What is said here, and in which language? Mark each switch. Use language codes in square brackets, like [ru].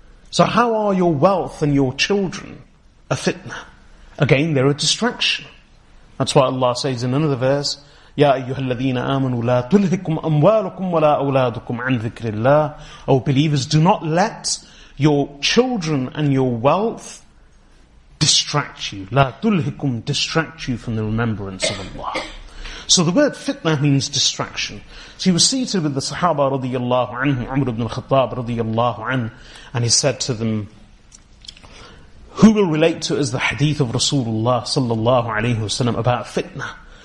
[en] So how are your wealth and your children a fitna? Again, they're a distraction. That's why Allah says in another verse, [ar] يَا أَيُّهَا الَّذِينَ آمَنُوا لَا تُلْهِكُمْ أَمْوَالُكُمْ وَلَا أَوْلَادُكُمْ عَنْ ذِكْرِ اللَّهِ. [en] O believers, do not let your children and your wealth distract you. [ar] لَا تُلْهِكُمْ, [en] distract you from the remembrance of Allah. So the word fitna means distraction. So he was seated with the Sahaba radiyallahu anhu, Umar ibn al-Khattab radiyallahu anhu, and he said to them, who will relate to us the hadith of Rasulullah sallallahu alayhi wasallam about fitna?